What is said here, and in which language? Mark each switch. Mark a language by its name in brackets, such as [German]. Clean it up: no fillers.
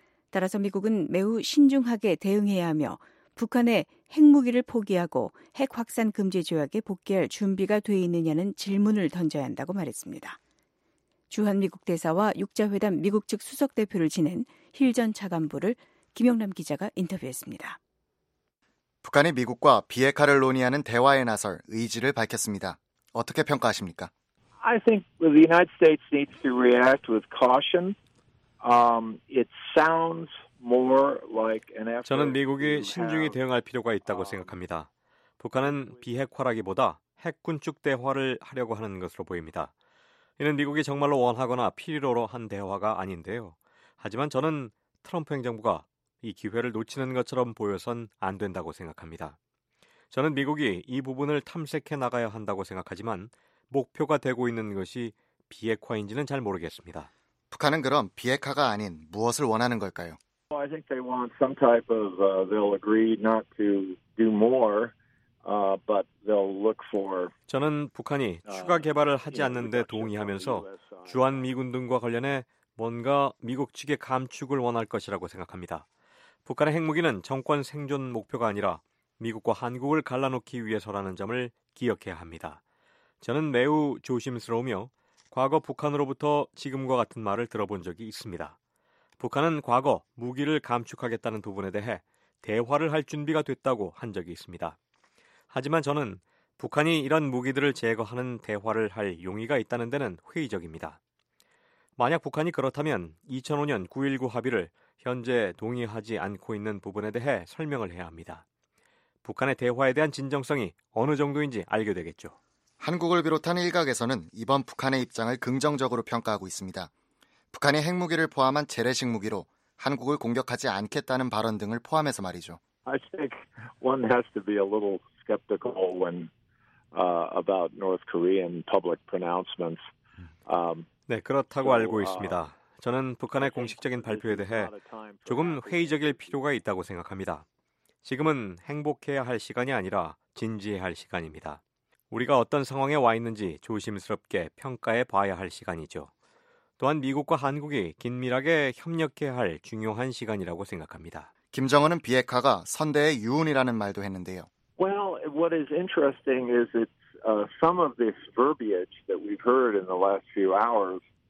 [Korean] 따라서 미국은 매우 신중하게 대응해야 하며 북한의 핵무기를 포기하고 핵 확산 금지 조약에 복귀할 준비가 돼 있느냐는 질문을 던져야 한다고 말했습니다. 주한미국 대사와 6자회담 미국 측 수석대표를 지낸 힐 전 차관보를 김영남 기자가 인터뷰했습니다. 북한이 미국과 비핵화를 논의하는 대화에 나설 의지를 밝혔습니다. 어떻게 평가하십니까? [English] I think the United States needs to react with caution. It sounds more like an effort. [Korean] 저는 미국이 신중히 대응할 필요가 있다고 생각합니다. 북한은 비핵화라기보다 핵군축 대화를 하려고 하는 것으로 보입니다. 이는 미국이 정말로 원하거나 필요로 한 대화가 아닌데요. 하지만 저는 트럼프 행정부가 이 기회를 놓치는 것처럼 보여선 안 된다고 생각합니다. 저는 미국이 이 부분을 탐색해 나가야 한다고 생각하지만 목표가 되고 있는 것이 비핵화인지는 잘 모르겠습니다. 북한은 그럼 비핵화가 아닌 무엇을 원하는 걸까요? [English] I think they want some type of they'll agree not to do more but they'll look for [Korean] 저는 북한이 추가 개발을 하지 않는데 동의하면서 주한 미군 등과 관련해 뭔가 미국 측의 감축을 원할 것이라고 생각합니다. 북한의 핵무기는 정권 생존 목표가 아니라 미국과 한국을 갈라놓기 위해서라는 점을 기억해야 합니다. 저는 매우 조심스러우며 과거 북한으로부터 지금과 같은 말을 들어본 적이 있습니다. 북한은 과거 무기를 감축하겠다는 부분에 대해 대화를 할 준비가 됐다고 한 적이 있습니다. 하지만 저는 북한이 이런 무기들을 제거하는 대화를 할 용의가 있다는 데는 회의적입니다. 만약 북한이 그렇다면 2005년 9.19 합의를 현재 동의하지 않고 있는 부분에 대해 설명을 해야 합니다. 북한의 대화에 대한 진정성이 어느 정도인지 알게 되겠죠. 한국을 비롯한 일각에서는 이번 북한의 입장을 긍정적으로 평가하고 있습니다. 북한이 핵무기를 포함한 재래식 무기로 한국을 공격하지 않겠다는 발언 등을 포함해서 말이죠. [English] I think one has to be a little skeptical when about North Korean public pronouncements. [Korean] 네, 그렇다고 알고 있습니다. 저는 북한의 공식적인 발표에 대해 조금 회의적일 필요가 있다고 생각합니다. 지금은 행복해야 할 시간이 아니라 진지해야 할 시간입니다. 우리가 어떤 상황에 와 있는지 조심스럽게 평가해 봐야 할 시간이죠. 또한 미국과 한국이 긴밀하게 협력해야 할 중요한 시간이라고 생각합니다. 김정은은 비핵화가 선대의 유운이라는 말도 했는데요. [English] Well, what is interesting is that some of this verbiage that we've heard in the last few hours